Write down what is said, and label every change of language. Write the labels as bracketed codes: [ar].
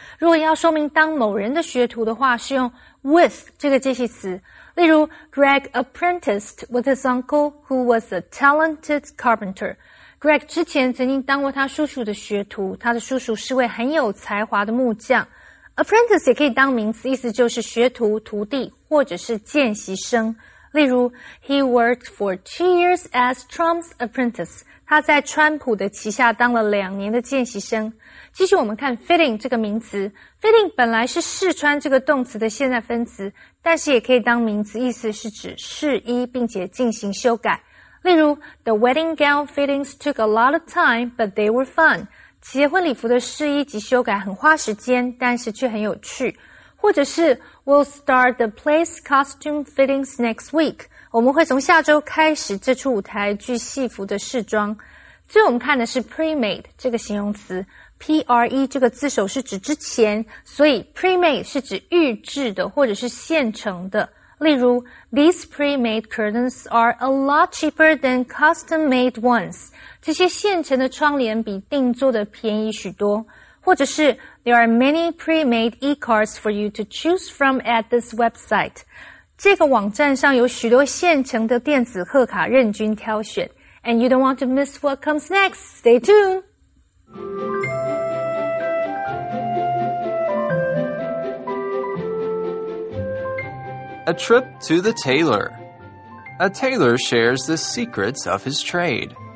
[zh] 如果要说明当某人的学徒的话，是用 with 这个介系词。 [en] 例如 Greg apprenticed with his uncle who was a talented carpenter. [zh] Greg 之前曾经当过他叔叔的学徒，他的叔叔是位很有才华的木匠。 Apprentice 也可以当名词，意思就是学徒、徒弟或者是见习生。 [en] 例如 He worked for 2 years as Trump's apprentice. [zh] 他在川普的旗下当了2年的见习生。继续我们看 fitting 这个名词。fitting 本来是试穿这个动词的现在分词，但是也可以当名词，意思是指试衣并且进行修改。 [en] 例如 The wedding gown fittings took a lot of time, but they were fun. [zh] 结婚礼服的试衣及修改很花时间，但是却很有趣。或者是 [en] We'll start the play's costume fittings next week. [zh] 我们会从下周开始这出舞台剧戏服的试装。最后我们看的是 pre-made 这个形容词。P-R-E 这个字首是指之前，所以 pre-made 是指预制的或者是现成的。 [en] 例如 These pre-made curtains are a lot cheaper than custom-made ones. [zh] 这些现成的窗帘比定做的便宜许多，或者是 [en] There are many pre-made e-cards for you to choose from at this website. [zh] 这个网站上有许多现成的电子贺卡任君挑选。 [en] And you don't want to miss what comes next. Stay tuned! A trip to the tailor. A tailor shares the secrets of his trade.